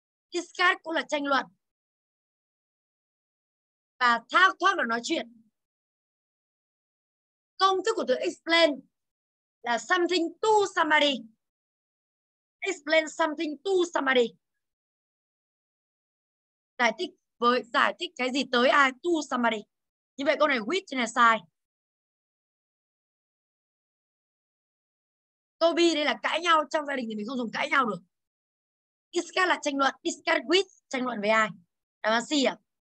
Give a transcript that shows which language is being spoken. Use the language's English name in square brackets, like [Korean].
[Vietnamese] Discuss cũng là tranh luận. Và talk talk là nói chuyện. Công thức của từ explain là [English] something to somebody. Explain something to somebody. [Vietnamese] Giải thích với giải thích cái gì tới ai, [English] to somebody. [Vietnamese] Như vậy câu này which này sai. Câu B đây là cãi nhau, trong gia đình thì mình không dùng cãi nhau được. Discuss là tranh luận. Discuss with, tranh luận với ai? Đáp án C ạ.